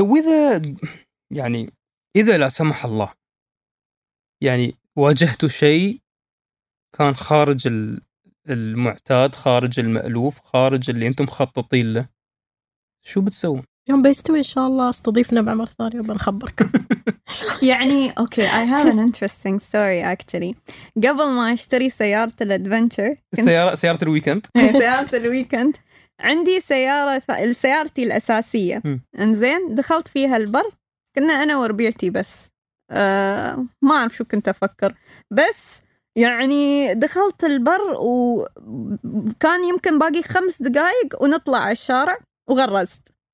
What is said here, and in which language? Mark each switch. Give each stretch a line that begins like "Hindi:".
Arabic: إذا يعني إذا لا سمح الله يعني واجهتوا شيء كان خارج المعتاد، خارج المألوف، خارج اللي أنتم مخططين له، شو بتسوون؟ يوم بيستوي إن شاء الله استضيفنا بعمر ثاني وبنخبرك. يعني أوكي
English: okay, I have an interesting story actually.
Arabic: قبل ما أشتري سيارة الأدفنتشر، سيارة الويكند. سيارة الويكند عندي سيارة، سيارتي الأساسية. إنزين دخلت فيها البر، كنا أنا وربيعتي بس، ما أعرف شو كنت أفكر، بس يعني دخلت البر وكان يمكن باقي خمس دقائق ونطلع على الشارع وغرزت.